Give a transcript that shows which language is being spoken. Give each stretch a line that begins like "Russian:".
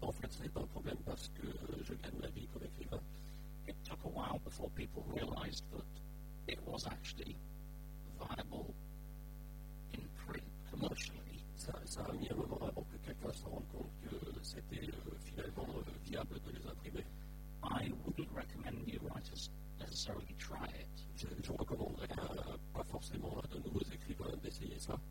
French: C'est pas un problème parce que je gagne ma vie comme écrivain.
English: It took a while before people realized that it was actually viable in print commercially.
French: Ça a mis un moment avant que quelqu'un se rende compte que c'était finalement viable de les imprimer.
English: I wouldn't recommend new writers necessarily try it.
French: Je recommanderais pas forcément à de nouveaux écrivains d'essayer ça.